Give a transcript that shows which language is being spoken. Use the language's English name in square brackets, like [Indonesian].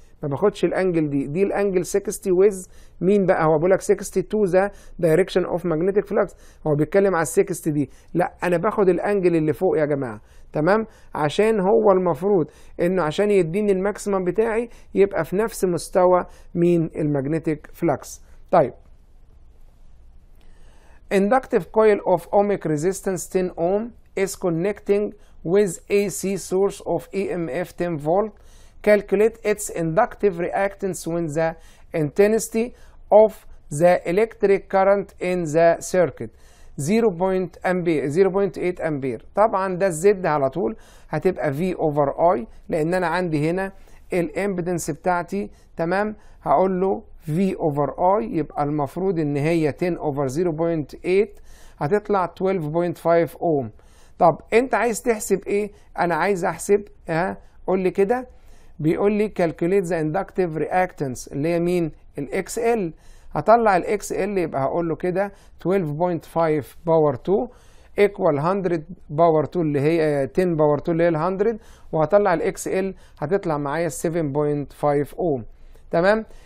[Arabic] ما باخدش الانجل دي، دي الانجل 60 ويز مين بقى؟ هو بيقول لك [English] 60 to the direction of magnetic flux, [Arabic] هو بيتكلم على ال 60 دي، لا انا باخد الانجل اللي فوق يا جماعه تمام، عشان هو المفروض انه عشان يديني الماكسيمم بتاعي يبقى في نفس مستوى مين؟ الماجنتيك فلكس. [English] طيب inductive coil of ohmic resistance 10 ohm is connecting with AC source of EMF 10 volt. Calculate its inductive reactance when the intensity of the electric current in the circuit 0.8 ampere. [Arabic] طبعا ده الزد على طول هتبقى V over I، لان انا عندي هنا الامبيدنس بتاعتي تمام، هقول له V over I، يبقى المفروض ان هي 10 over 0.8 هتطلع 12.5 ohm. طب انت عايز تحسب ايه؟ انا عايز احسب ها قول لي كده، بيقول لي [English] calculate the inductive reactance [Arabic] اللي هي مين؟ ال XL، هطلع ال XL يبقى هقول له كده [English] 12.5 power 2 equal 100 power 2 [Arabic] اللي هي 10 power 2 اللي هي ال 100، وهطلع ال XL هتطلع معايا 7.5 ohm تمام.